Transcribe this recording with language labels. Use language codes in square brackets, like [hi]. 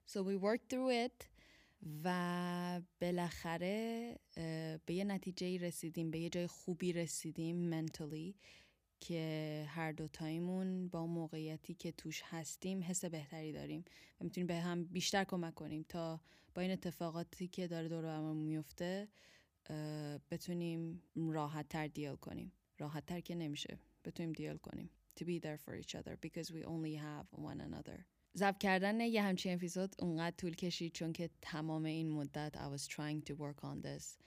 [en] So we worked through it. [fa] و بالاخره به یه نتیجه رسیدیم، به یه جای خوبی رسیدیم منتالی که هر دو تایمون با موقعیتی که توش هستیم حس بهتری داریم و میتونیم به هم بیشتر کمک کنیم تا با این اتفاقاتی که داره دور برمون میفته بتونیم راحت تر دیال کنیم. راحت تر که نمیشه، بتونیم دیال کنیم. [en] To be there for each other because we only have one another. [fa] ضبط کردن یه همچین اپیزود اونقدر طول کشید چون که تمام این مدت [en] I was trying to work on this.